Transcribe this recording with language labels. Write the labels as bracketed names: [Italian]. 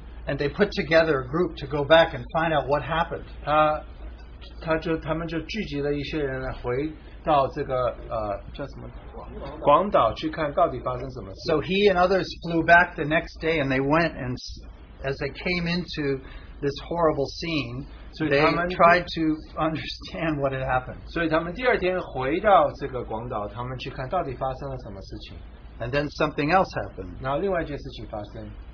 [English] And they put together a group to go back and find out what happened. [Chinese] 他们就聚集了一些人来回到这个叫什么广岛去看到底发生什么事。 [English] So he and others flew back the next day, and they went and as they came into this horrible scene, so they tried to understand what had happened. And then something else happened.